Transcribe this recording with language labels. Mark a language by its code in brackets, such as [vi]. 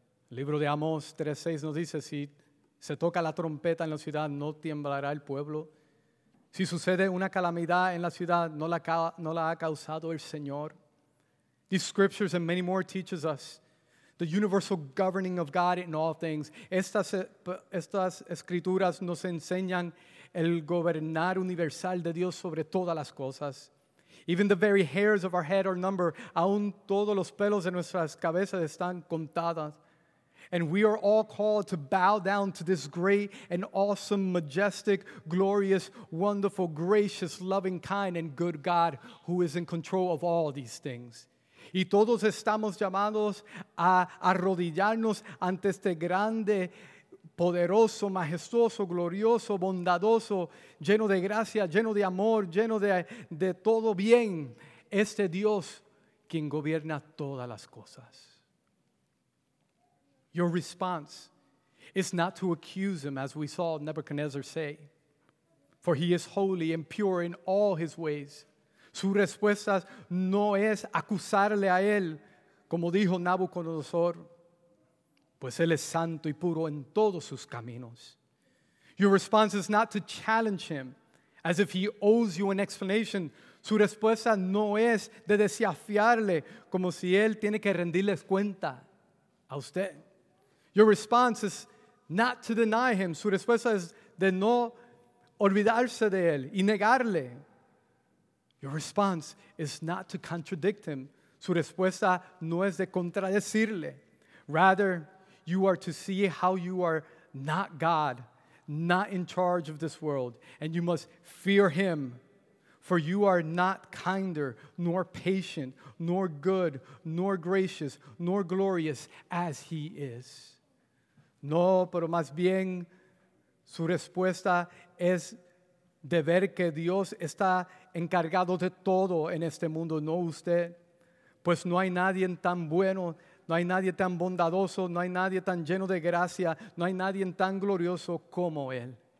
[es] El libro de Amós 3:6 nos dice, si se toca la trompeta en la ciudad, no tiemblará el pueblo. Si sucede una calamidad en la ciudad, no la ha causado el Señor. [en] These scriptures and many more teaches us the universal governing of God in all things. [es] Estas escrituras nos enseñan el gobernar universal de Dios sobre todas las cosas. [en] Even the very hairs of our head are numbered. [es] Aún todos los pelos de nuestras cabezas están contados. [en] And we are all called to bow down to this great and awesome, majestic, glorious, wonderful, gracious, loving, kind, and good God who is in control of all these things. [es] Y todos estamos llamados a arrodillarnos ante este grande, poderoso, majestuoso, glorioso, bondadoso, lleno de gracia, lleno de amor, lleno de todo bien, este Dios quien gobierna todas las cosas. [en] Your response is not to accuse him, as we saw Nebuchadnezzar say, for he is holy and pure in all his ways. [es] Su respuesta no es acusarle a él, como dijo Nabucodonosor, pues él es santo y puro en todos sus caminos. [en] Your response is not to challenge him, as if he owes you an explanation. [es] Su respuesta no es de desafiarle, como si él tiene que rendirles cuenta a usted. [en] Your response is not to deny him. [es] Su respuesta es de no olvidarse de él y negarle. [en] Your response is not to contradict him. [es] Su respuesta no es de contradecirle. [en] Rather, you are to see how you are not God, not in charge of this world, and you must fear him. For you are not kinder, nor patient, nor good, nor gracious, nor glorious as he is. [es] No, pero más bien, su respuesta es de ver que Dios está encargado de todo en este mundo, no usted. Pues no hay nadie tan bueno, no hay nadie tan bondadoso, no hay nadie tan lleno de gracia, no hay nadie tan glorioso como él.